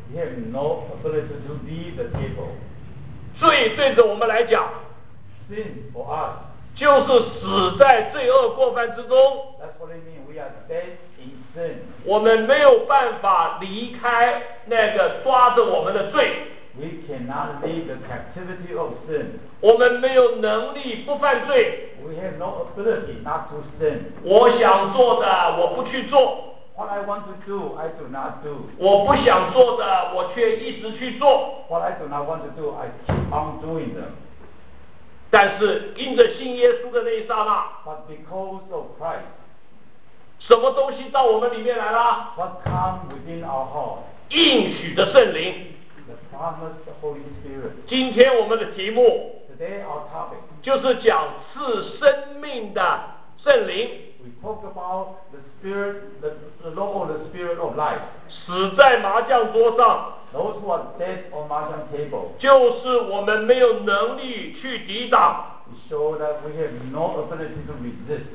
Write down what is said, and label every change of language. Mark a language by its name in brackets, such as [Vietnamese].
[English] He has no ability to leave the table. [Chinese] 罪对着我们来讲。 [English] Sin for us. [Chinese] 就是死在罪恶过犯之中。 [English] That's what I mean. We are dead in sin. [Chinese] 我们没有办法离开那个抓着我们的罪。 [English] We cannot leave the captivity of sin. [Chinese] 我们没有能力不犯罪。 [English] We have no ability not to sin. [Chinese] 我想做的我不去做。 [English] What I want to do, I do not do. [Chinese] 我不想做的我却一直去做。 [English] What I do not want to do, I keep on doing them. [Chinese] 但是因着信耶稣的那一刹那。 [English] But because of Christ. [Chinese] 什么东西到我们里面来了？ [English] What come within our heart? [Chinese] 应许的圣灵。 [English] The promise, the Holy Spirit. [Chinese] 今天我们的题目 [English] Today our topic, [Chinese] 就是讲赐生命的圣灵。 [English] We talk about the spirit, the law of the spirit of life. [Chinese] 死在麻将桌上。 [English] Those who are dead on mahjong table. [Chinese] 就是我们没有能力去抵挡。 [English] It shows that we have no ability to resist.